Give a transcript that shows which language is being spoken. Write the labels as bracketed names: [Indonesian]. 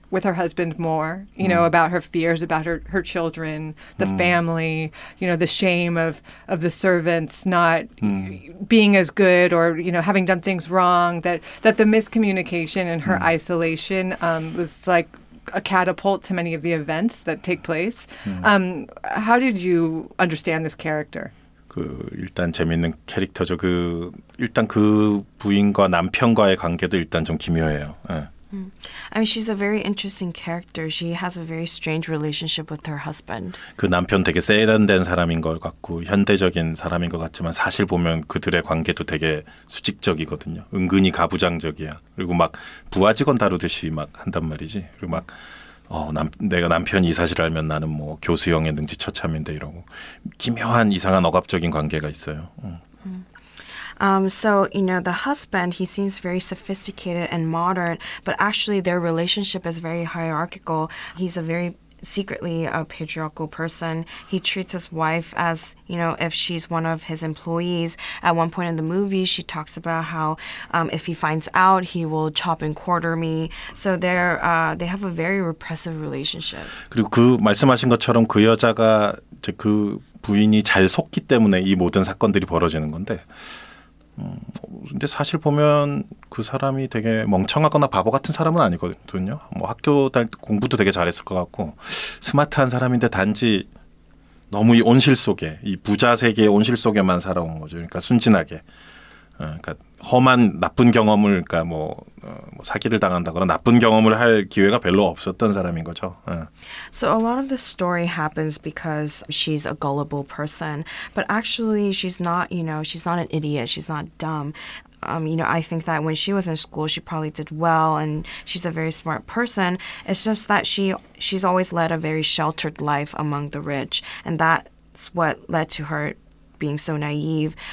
[English] with her husband more, you know, about her fears, about her, her children, the family, you know, the shame of the servants not being as good or, you know, having done things wrong, that, that the miscommunication and her isolation was like a catapult to many of the events that take place. How did you understand this character? [Korean] 그 일단 재미있는 캐릭터죠. 그 일단 그 부인과 남편과의 관계도 일단 좀 기묘해요. 네. [English] I mean, she's a very interesting character. She has a very strange relationship with her husband. [Korean] 그 남편 되게 세련된 사람인 것 같고 현대적인 사람인 것 같지만 사실 보면 그들의 관계도 되게 수직적이거든요. 은근히 가부장적이야. 그리고 막 부하 직원 다루듯이 막 한단 말이지. 그리고 막 내가 남편이 이 사실을 알면 나는 뭐 교수형의 능지 처참인데 이러고 기묘한 이상한 억압적인 관계가 있어요. [English] So, you know, the husband, he seems very sophisticated and modern, but actually their relationship is very hierarchical. He's a very secretly a patriarchal person. He treats his wife as, you know, if she's one of his employees. At one point in the movie, she talks about how if he finds out, he will chop and quarter me. So they have a very repressive relationship. [Korean] 그리고 그 말씀하신 것처럼 그 여자가 이제 그 부인이 잘 속기 때문에 이 모든 사건들이 벌어지는 건데 근데 사실 보면 그 사람이 되게 멍청하거나 바보 같은 사람은 아니거든요. 뭐 학교 다닐 때 공부도 되게 잘했을 것 같고 스마트한 사람인데 단지 너무 이 온실 속에 이 부자 세계의 온실 속에만 살아온 거죠. 그러니까 순진하게. 그러니까 험한 나쁜 경험을 그러니까 뭐 사기를 당한다거나 나쁜 경험을 할 기회가 별로 없었던 사람인 거죠. [English] So a lot of the story happens because she's a gullible person, but actually she's not, you know, she's not an idiot, she's not dumb. You know, I think that when she was in school, she probably did well, and she's a very smart person. It's just that she's always led a very sheltered life among the rich, and that's what led to her being so naive.